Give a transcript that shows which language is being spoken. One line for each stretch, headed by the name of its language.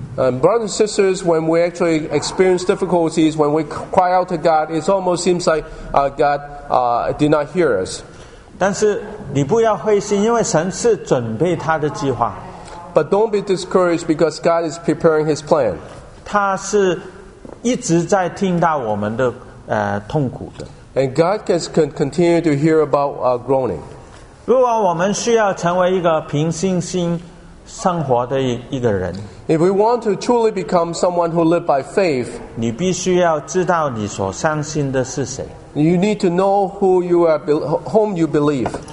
English: Brothers and sisters, when we actually experience difficulties, when we cry out to God, it almost seems like God did not hear us.
Chinese: 但是你不要灰心,因为神是准备他的计划。But
English: don't be discouraged because God is preparing his plan.
Chinese: 他是一直在听到我们的痛苦的。And
English: God can continue to hear about groaning.
Chinese: 如果我们需要成为一个凭信心生活的一个人。If
English: we want to truly become someone who live by faith,
Chinese: 你必须要知道你所相信的是谁。
English: You need to know who you are, whom you believe.